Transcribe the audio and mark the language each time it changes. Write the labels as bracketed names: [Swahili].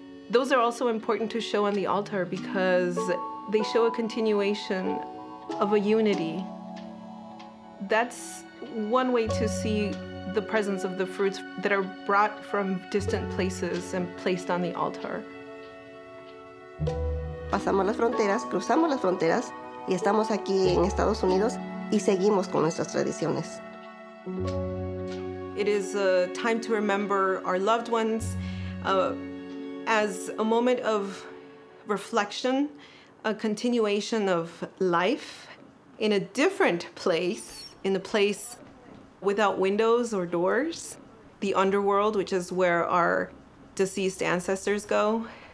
[English] Those are also important to show on the altar because they show a continuation of a unity. That's one way to see the presence of the fruits that are brought from distant places and placed on the altar. [Spanish] Pasamos las fronteras, cruzamos las fronteras, y estamos aquí en Estados Unidos, y seguimos con nuestras tradiciones. [English] It is a time to remember our loved ones, as a moment of reflection, a continuation of life in a different place, in a place without windows or doors, the underworld, which is where our deceased ancestors go.